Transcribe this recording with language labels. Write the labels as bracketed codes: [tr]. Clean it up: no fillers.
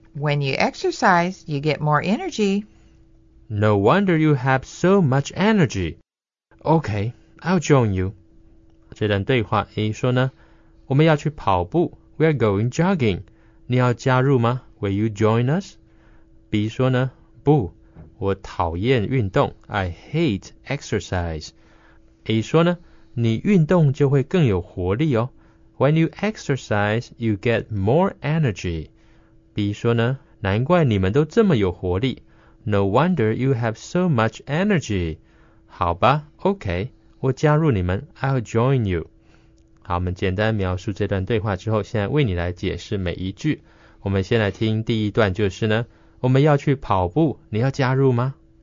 [en] When you exercise, you get more energy. No wonder you have so much energy. Okay, I'll join you. [zh] 这段对话 A 说呢，我们要去跑步。 [en] We're going jogging. 你要加入吗？ Will you join us? [zh] B 说呢，不，我讨厌运动。 [en] I hate exercise. [zh] A 说呢，你运动就会更有活力哦。 [en] When you exercise, you get more energy. [zh] B 说呢，难怪你们都这么有活力。 [en] No wonder you have so much energy. 好吧 ,OK, 我加入你们 ,I'll join you. [zh] 好，我们简单描述这段对话之后，现在为你来解释每一句。我们先来听第一段，就是呢，我们要去跑步，你要加入吗？